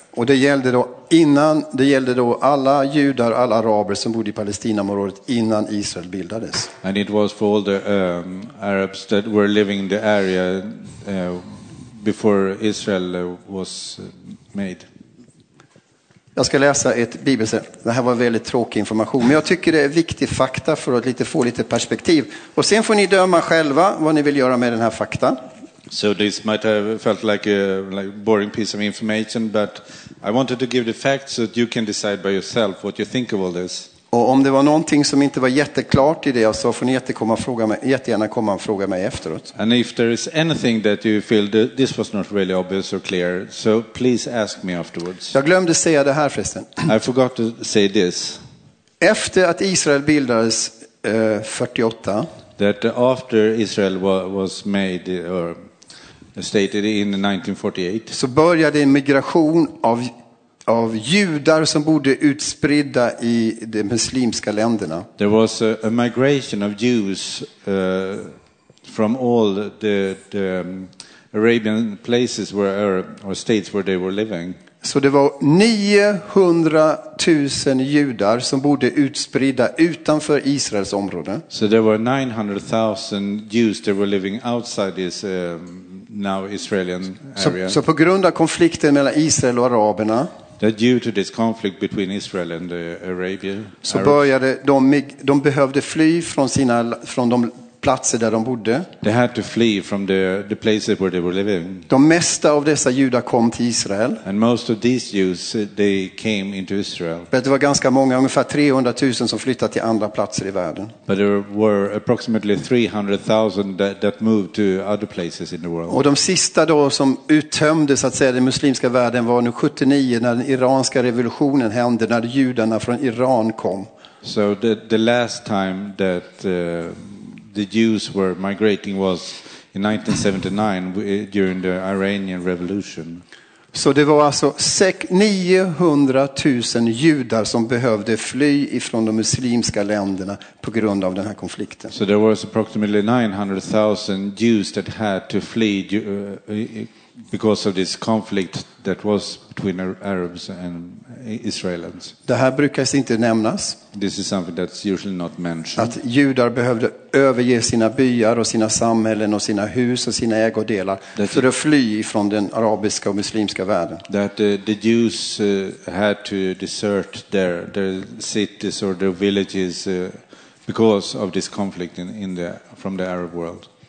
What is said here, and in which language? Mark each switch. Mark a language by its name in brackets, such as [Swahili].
[Swedish] Och det gällde då innan, det gällde då alla judar, alla araber som bodde i Palestinaområdet innan Israel bildades. [English] And it was for all the Arabs that were living in the area before Israel was made. [Swedish] Jag ska läsa ett bibelställe. Det här var väldigt tråkig information, men jag tycker det är viktig fakta för att lite få lite perspektiv. Och sen får ni döma själva vad ni vill göra med den här fakta. [English] So this might have felt like a boring piece of information, but I wanted to give the facts so that you can decide by yourself what you think of all this. [Swedish] Och om det var någonting som inte var jätteklart i det så får ni jättegärna komma och fråga mig efteråt. [English] And if there is anything that you feel that this was not really obvious or clear, so please ask me afterwards. [Swedish] Jag glömde säga det här förresten. [English] I forgot to say this. [Swedish] Efter att Israel bildades 48. [English] That after Israel was made or stated in 1948. [Swedish] Så började en migration av judar som bodde utspridda i de muslimska länderna. [English] There was a migration of Jews from all the Arabian places where or states where they were living. [Swedish] Så det var 900 000 judar som bodde utspridda utanför Israels område. [English] So there were 900 000 Jews that were living outside this now Israelian area. [Swedish] Så på grund av konflikten mellan Israel och araberna. [English] That due to this conflict between Israel and the Arabia. [Swedish] Så började de behövde fly från de platser där de bodde. [English] They had to flee from the places where they were living. [Swedish] De mesta av dessa judar kom till Israel. [English] And most of these Jews they came into Israel. [Swedish] Men det var ganska många, ungefär 300 000 som flyttade till andra platser i världen. [English] But there were approximately 300 000 that moved to other places in the world. [Swedish] Och de sista då som uttömdes, så att säga, den muslimska världen var nu 79 när den iranska revolutionen hände, när judarna från Iran kom. [English] So the last time that the Jews were migrating was in 1979 during the Iranian revolution. [Swedish] Så det var alltså 900 000 judar som behövde fly ifrån de muslimska länderna på grund av den här konflikten. [English] So there was approximately 900 000 Jews that had to flee because of this conflict that was between Arabs and Israelis. [Swedish] Det här brukar inte nämnas. [English] This is something that's usually not mentioned. [Swedish] Att judar behövde överge sina byar och sina samhällen och sina hus och sina ägodelar för att fly från den arabiska och muslimska världen. [English] That the Jews had to desert their cities or their villages because of this conflict from the Arab world.